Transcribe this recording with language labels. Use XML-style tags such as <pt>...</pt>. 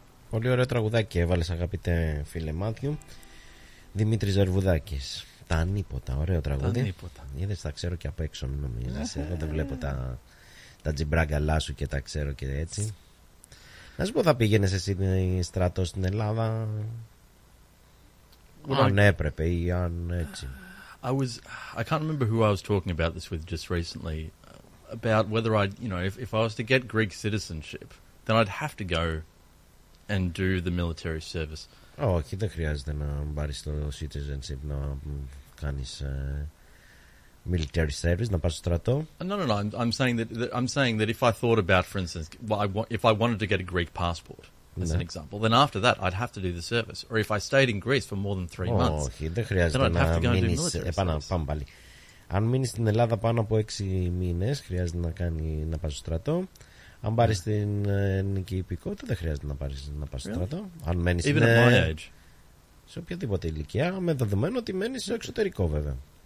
<el>Πολύ ωραίο τραγουδάκι έβαλες, αγαπητέ φίλε Μάτιου. Δημήτρης Ζερβουδάκης. Τα ανίποτα, ωραίο τραγούδι. Τα ανίποτα. Είδες, τα ξέρω και απ' έξω, μην νομίζεις. Εγώ δεν βλέπω τα τζιμπράγκαλά σου και τα ξέρω και έτσι. Να σου πω, θα πήγαινες εσύ στρατό στην Ελλάδα? Αν έπρεπε ή αν έτσι.</el> <en>I can't remember who I was talking about this with just recently. About whether I, you know, if I was to get Greek citizenship, then I'd have to go and do the military service.</en> <el>Όχι, δεν χρειάζεται να πάρεις το citizenship, να κάνεις military service, να πας στο στρατό.</el> <en>No. I'm saying that if I thought about, for instance, if I wanted to get a Greek passport, as an example, then after that I'd have to do the service. Or if I stayed in Greece for more than 3 months,</en> <el>όχι, δεν χρειάζεται να μείνεις. Πάμε πάλι. Αν μείνεις στην Ελλάδα πάνω από 6 μήνες, χρειάζεται να πας στο στρατό. Αν πάρει την ελληνική υπηκότητα, δεν χρειάζεται να πάρει να πα στρατό. Αν μένει στην Ελλάδα.</el> <en>Even at my age.</en> <el>Σε οποιαδήποτε ηλικία, με δεδομένο ότι μένει στο εξωτερικό, βέβαια.</el>